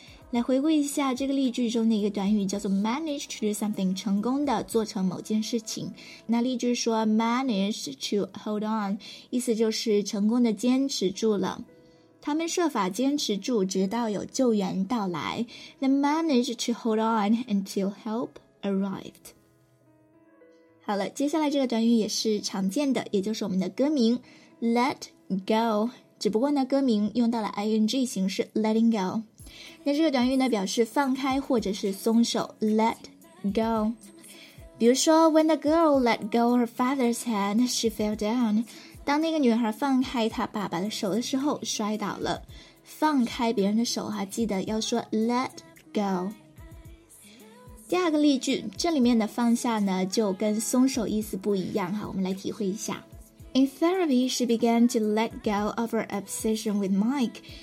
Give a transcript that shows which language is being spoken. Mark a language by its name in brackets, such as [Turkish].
[Chinese] 来回顾一下这个例句中的一个短语，叫做 [English] manage to do something, [Chinese] 成功的做成某件事情。那例句说 [English] manage to hold on, [Chinese] 意思就是成功的坚持住了。他们设法坚持住直到有救援到来。 [English] They managed to hold on until help arrived. [Chinese] 好了，接下来这个短语也是常见的，也就是我们的歌名 let go, 只不过呢歌名用到了 ing 形式 [English] letting go。 [Chinese] 那这个短语呢表示放开或者是松手 let go。比如说 [English] when the girl let go her father's hand, she fell down。 [Chinese] 当那个女孩放开她爸爸的手的时候摔倒了。放开别人的手哈，记得要说 let go。第二个例句，这里面的放下呢就跟松手意思不一样哈，我们来体会一下。 [English] In therapy, she began to let go of her obsession with Mike。